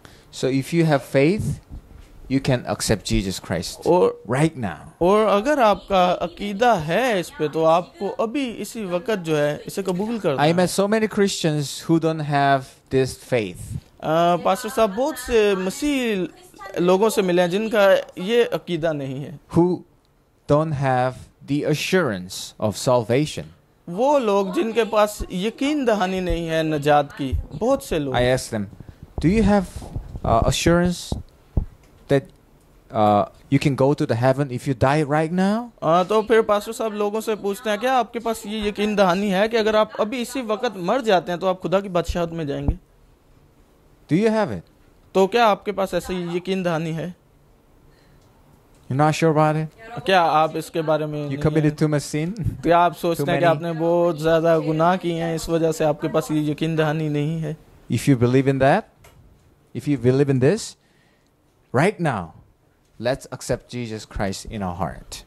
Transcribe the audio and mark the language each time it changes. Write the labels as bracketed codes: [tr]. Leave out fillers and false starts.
[en] So if you have faith, you can accept Jesus Christ right now. [ur] اور اگر آپ کا عقیدہ ہے اس پہ تو آپ کو ابھی اسی وقت جو ہے اسے قبول کرنا ہے. [en] I met so many Christians who don't have this faith. [ur] Pastor صاحب بہت سے مسیح لوگوں سے ملے ہیں جن کا یہ عقیدہ نہیں ہے. [en] Who don't have the assurance of salvation. [ur] وہ لوگ جن کے پاس یقین دہانی نہیں ہے نجات کی بہت سے لوگ. [en] I asked them, do you have assurance that you can go to the heaven if you die right now? [ur] تو پھر پاسٹر صاحب لوگوں سے پوچھتے ہیں کیا آپ کے پاس یہ یقین دہانی ہے کہ اگر آپ ابھی اسی وقت مر جاتے ہیں تو آپ خدا کی بادشاہت میں جائیں گے. [en] Do you have it? [ur] تو کیا آپ کے پاس ایسی یقین دہانی ہے؟ [en] You're not sure about it? [ur] کیا آپ اس کے بارے میں [en] You committed too much sin? [ur] کیا آپ سوچتے ہیں کہ آپ نے بہت زیادہ گناہ کیے ہیں اس وجہ سے آپ کے پاس یہ یقین دہانی نہیں ہے؟ [en] If you believe in that, if you believe in this, right now, let's accept Jesus Christ in our heart.